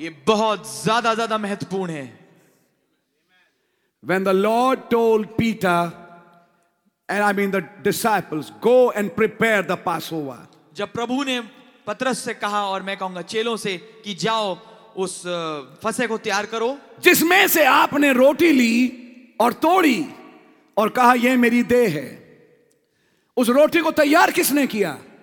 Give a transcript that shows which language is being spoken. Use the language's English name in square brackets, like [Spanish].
[Hindi] ये बहुत ज्यादा ज्यादा महत्वपूर्ण है. [English] When the Lord told Peter, and I mean the disciples, go and prepare the Passover. [Hindi] जब प्रभु ने पत्रस से कहा और मैं कहूंगा चेलों से कि जाओ उस फसे को तैयार करो. जिसमें से आपने रोटी ली और तोड़ी और कहा यह मेरी देह है. उस रोटी को तैयार किसने किया?